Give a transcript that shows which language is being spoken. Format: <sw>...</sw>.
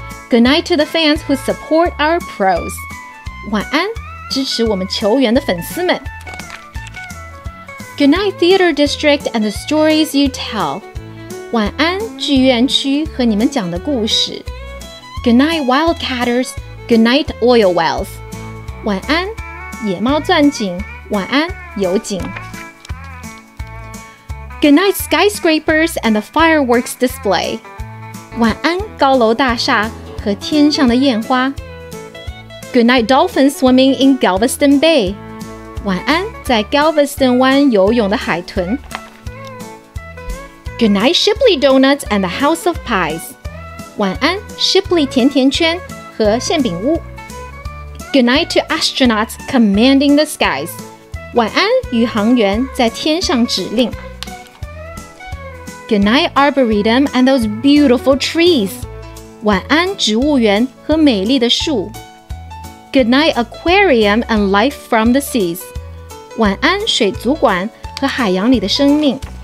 <en>Good night to the fans who support our pros.</en> <zh>晚安,支持我们球员的粉丝们.</zh> <en>Good night, Theater District and the stories you tell.</en> <zh>晚安,剧院区和你们讲的故事.</zh> <en>Good night, Wildcatters. Good night, Oil Wells.</en> <zh>晚安,野猫钻井,晚安,油井.</zh> <en>Good night, Skyscrapers and the fireworks display.</en> <zh>晚安,高楼大厦. 和天上的烟花.</zh> <en>Good night, dolphins swimming in Galveston Bay.</en> <zh>晚安,在Galveston湾游泳的海豚.</zh> <en>Good night, Shipley Donuts and the House of Pies.</en> <zh>晚安,Shipley甜甜圈和馅饼屋.</zh> <en>Good night to astronauts commanding the skies.</en> <zh>晚安,宇航员在天上指令.</zh> <en>Good night, Arboretum and those beautiful trees.</en> <zh>晚安,植物园和美丽的树.</zh> <en>Good night, aquarium and life from the seas.</en> <zh>晚安,水族馆和海洋里的生命.</zh>